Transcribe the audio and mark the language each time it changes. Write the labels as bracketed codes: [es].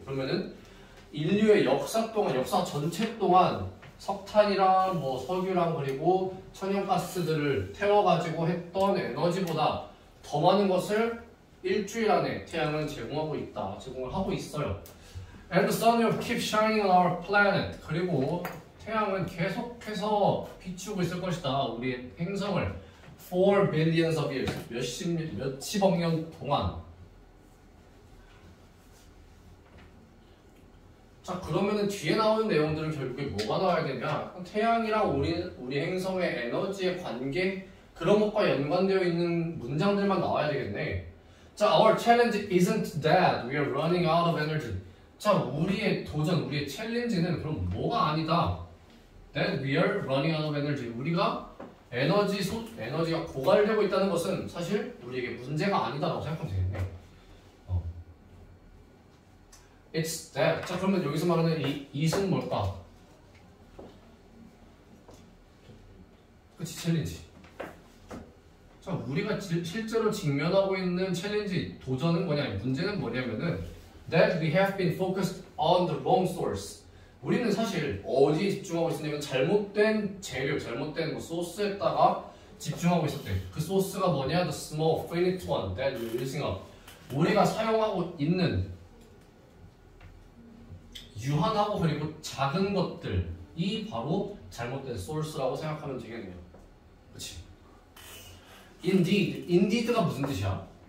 [ko] 그러면은 인류의 역사 동안, 역사 전체 동안 석탄이랑 뭐 석유랑 그리고 천연가스들을 태워가지고 했던 에너지보다 더 많은 것을 일주일 안에 태양은 제공하고 있다, 제공을 하고 있어요. [en] And the sun will keep shining on our planet. [ko] 그리고 태양은 계속해서 비추고 있을 것이다, 우리의 행성을. [en] For billions of years, [ko] 몇십억 년 동안. 자, 그러면은 뒤에 나오는 내용들은 결국에 뭐가 나와야 되냐? 태양이랑 우리 행성의 에너지의 관계, 그런 것과 연관되어 있는 문장들만 나와야 되겠네. [en] 자, our challenge isn't that we are running out of energy. [ko] 자, 우리의 도전, 우리의 챌린지는 그럼 뭐가 아니다? [en] That we are running out of energy. [ko] 우리가 에너지가 고갈되고 있다는 것은 사실 우리에게 문제가 아니다라고 생각하면 되겠네요. [en] It's that. [ko] 자, 그러면 여기서 말하는 이 is은 뭘까? 그치, 챌린지. 자, 우리가 실제로 직면하고 있는 챌린지, 도전은 뭐냐, 문제는 뭐냐면은 [en] that we have been focused on the wrong source. [ko] 우리는 사실 어디에 집중하고 있었냐면 잘못된 재료, 잘못된 소스에다가 집중하고 있었대. 그 소스가 뭐냐? [en] The small finite one that we're using up. [ko] 우리가 사용하고 있는 유한하고 그리고 작은 것들이 바로 잘못된 소스라고 생각하면 되겠네요. 그치? Indeed. Indeed가 무슨 뜻이야?